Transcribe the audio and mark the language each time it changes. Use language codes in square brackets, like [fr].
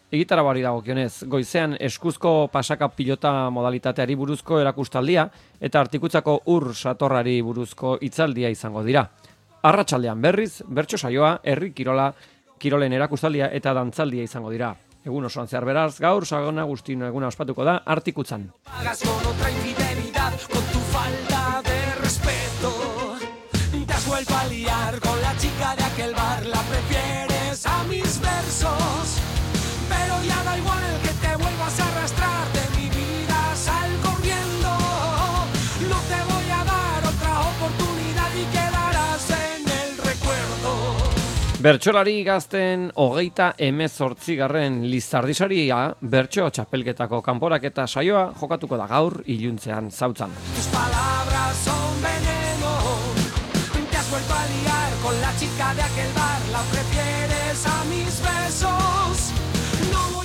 [eu] Egitarabari dagokionez, goizean eskuzko pasaka pilota modalitateari buruzko erakustaldia eta Artikutzako ur satorrari buruzko hitzaldia izango dira. Arratsaldean berriz, bertso saioa, herri kirola, kirolen erakustaldia eta dantzaldia izango dira. Egun osoan zehar beraz, gaur San Agustin eguna ospatuko da Artikutzan. [es] Pagas con otra infidelidad, con tu falta de respeto. Te has vuelto a liar con la chica de aquel bar, la prefieres a mis versos. Pero ya da igual que te vuelvas a arrastrar, de mi vida sal corriendo. No te voy a dar otra oportunidad y quedarás en el recuerdo. [eu] Bertxolari gazten 2018 Lizardisaria bertxo txapelketako kanporaketa saioa jokatuko da gaur iluntzean Zautzan. [es] Tus palabras son veneno, te has vuelto a liar con la chica de aquel bar, la prefieres a mis besos. No.